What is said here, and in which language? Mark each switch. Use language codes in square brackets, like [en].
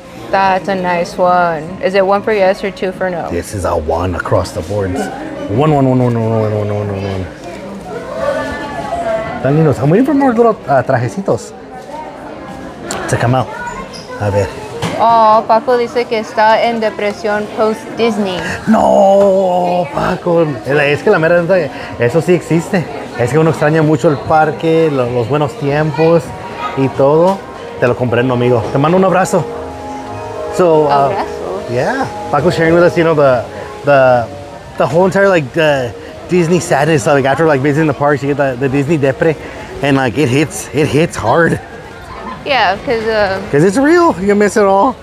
[en] That's a nice one. Is it one for yes or two for no? This is a one across the boards. One. [es] Tan lindos. [en] I'm waiting for more little trajecitos to come out. [es] A ver. Oh, Paco dice que está en depresión post-Disney. No, Paco. Es que la mera, eso sí existe. Es que uno extraña mucho el parque, los buenos tiempos y todo. Te lo comprendo, amigo. Te mando un abrazo. [en] So, yeah, Paco's sharing with us, you know, the whole entire like the Disney sadness. Like after like visiting the parks, you get the Disney depre, and like it hits hard. Yeah, because it's real. You miss it all.